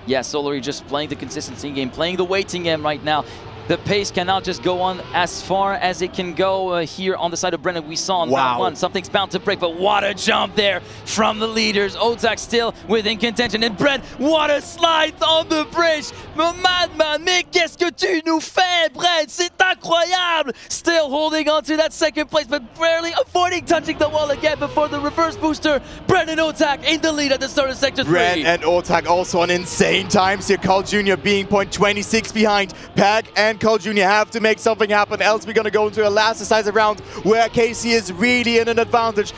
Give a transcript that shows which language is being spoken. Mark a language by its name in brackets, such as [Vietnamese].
[English] Yeah, Solary just playing the consistency game, playing the waiting game right now. The pace cannot just go on as far as it can go here on the side of Brennan. We saw on that one, something's bound to break, but what a jump there from the leaders. Otak still within contention, and Brent, what a slide on the bridge. [French] Madman, mais qu'est-ce que tu nous fais, Brent? C'est incroyable. [English] Still holding on to that second place, but barely avoiding touching the wall again before the reverse booster. Brent and Otak in the lead at the start of Sector 3. Brent and Otak also on insane times here. Carl Jr. being point 26 behind Pack. And Carl Jr. have to make something happen, else we're going to go into a last decisive round where KC is really in an advantage.